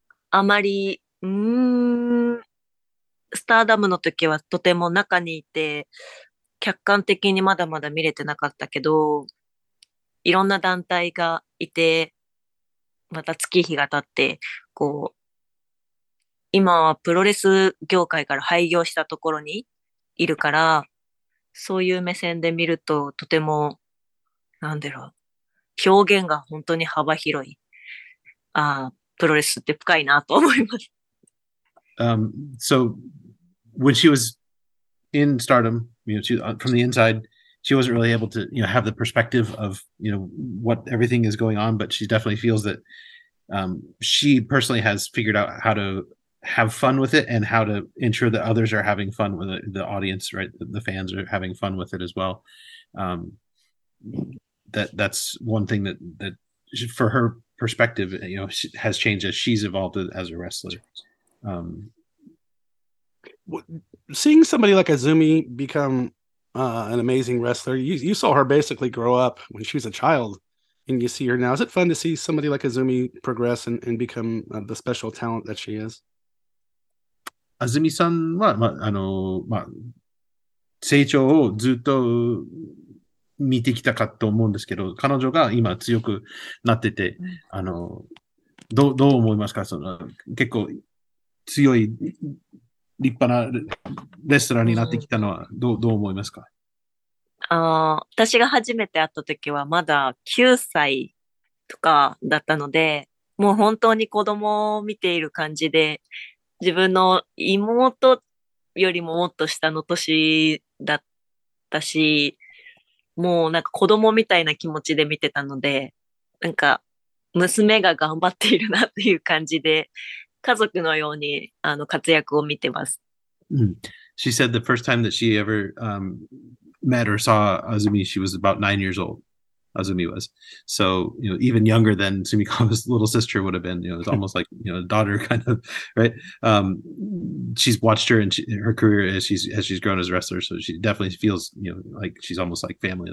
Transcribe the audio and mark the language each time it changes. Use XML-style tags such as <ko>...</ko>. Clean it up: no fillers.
<ja>あまりスターダムの時はとても中にいて客観的にまだまだ見れてなかったけど、いろんな団体がいて、また月日が経って、こう、今はプロレス業界から廃業したところにいるから、そういう目線で見ると、とても、なんだろう、表現が本当に幅広い。ああ、プロレスって深いなと思います。</ja> <en>So, when she was in stardom, you know, from the inside,she wasn't really able to, you know, have the perspective of, you know, what everything is going on, but she definitely feels that she personally has figured out how to have fun with it and how to ensure that others are having fun with it, the audience, right? The fans are having fun with it as well. That's one thing that she, for her perspective, you know, she has changed as she's evolved as a wrestler. Seeing somebody like Azumi become... an amazing wrestler. You saw her basically grow up when she was a child, and you see her now. Is it fun to see somebody like Azumi progress and become the special talent that she is?</en> <ja>Azumi-san は、まあのまあ、成長をずっと見てきたかと思うんですけど、彼女が今強くなってて、あのどう思いますか？その結構強い立派なレストランになってきたのはどう思いますか？私が初めて会った時はまだ9歳とかだったので、もう本当に子供を見ている感じで、自分の妹よりももっと下の年だったし、もうなんか子供みたいな気持ちで見てたので、なんか娘が頑張っているなっていう感じで、家族のようにあの活躍を見てます。</ja> <en>She said the first time that she ever met or saw Azumi, she was about 9 years old. Azumi was. So, you know, even younger than Sumikawa's little sister would have been, you know, it's almost like, you know, daughter kind of, right? She's watched her and her career as she's grown as a wrestler. So she definitely feels, you know, like she's almost like family.</en>